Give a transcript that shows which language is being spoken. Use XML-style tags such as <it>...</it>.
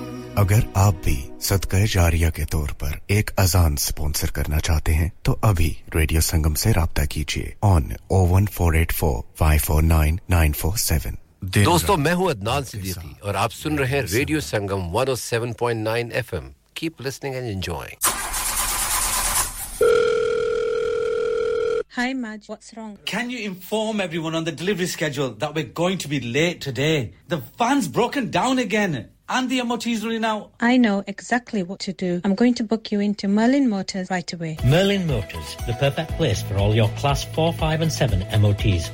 <ur>جاریہ کے طور پر ایک اذان سپونسر کرنا چاہتے ہیں تو ابھی ریڈیو سنگم سے رابطہ کیجئے on 01484549947 دوستو میں ہوں عدنان صدیقی اور آپ سن رہے ہیں radio Sangam 107.9 FM</ur> <en>keep listening and enjoying Hi, Madge. What's wrong? Can you inform everyone on the delivery schedule that we're going to be late today? The van's broken down again. and the MOT's running out. I know exactly what to do. I'm going to book you into Merlin Motors right away. Merlin Motors, the perfect place for all your Class 4, 5 and 7 MOTs.</en>